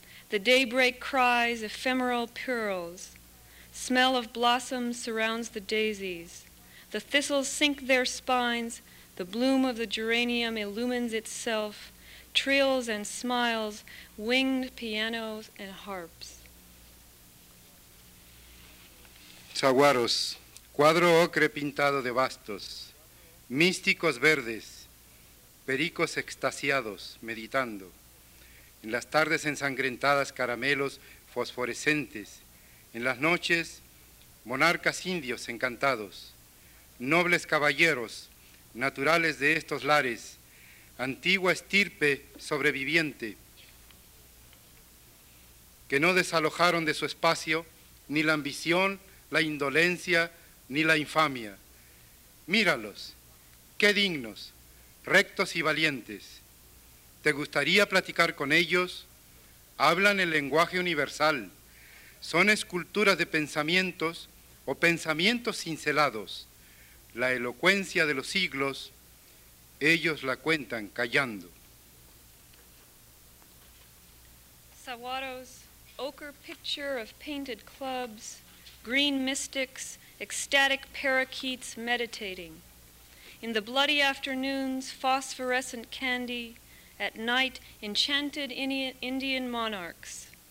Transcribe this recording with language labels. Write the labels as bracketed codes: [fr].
[en] The daybreak cries ephemeral pearls. Smell of blossoms surrounds the daisies. The thistles sink their spines. The bloom of the geranium illumines itself, trills and smiles, winged pianos and harps. [es] Saguaros, cuadro ocre pintado de bastos, místicos verdes, pericos extasiados, meditando, en las tardes ensangrentadas caramelos fosforescentes, en las noches monarcas indios encantados, nobles caballeros, naturales de estos lares, antigua estirpe sobreviviente, que no desalojaron de su espacio ni la ambición, la indolencia, ni la infamia. Míralos, qué dignos, rectos y valientes. ¿Te gustaría platicar con ellos? Hablan el lenguaje universal. Son esculturas de pensamientos o pensamientos cincelados. La elocuencia de los siglos, ellos la cuentan callando. [en] Saguaros, ochre picture of painted clubs, green mystics, ecstatic parakeets meditating. In the bloody afternoons, phosphorescent candy, at night, enchanted Indian monarchs.